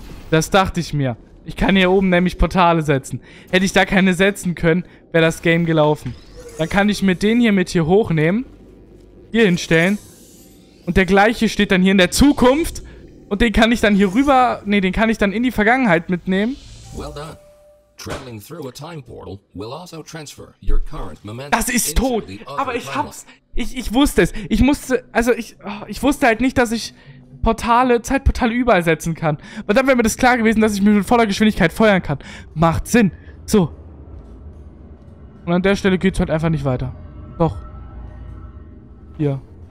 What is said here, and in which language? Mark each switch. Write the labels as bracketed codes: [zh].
[de] Das dachte ich mir. Ich kann hier oben nämlich Portale setzen. Hätte ich da keine setzen können, wäre das Game gelaufen. Dann kann ich mir den hier mit hier hochnehmen. Hier hinstellen. Und der gleiche steht dann hier in der Zukunft. Und den kann ich dann hier rüber... Nee, den kann ich dann in die Vergangenheit mitnehmen. [en] Well done. Traveling through a time portal will also transfer your current momentum. [de] Das ist tot. Aber ich hab's... Ich wusste es. Ich musste... Also ich wusste halt nicht, dass ich... Portale, Zeitportale überall setzen kann. Weil dann wäre mir das klar gewesen, dass ich mich mit voller Geschwindigkeit feuern kann. Macht Sinn. So. Und an der Stelle geht's halt einfach nicht weiter. Doch. Hier.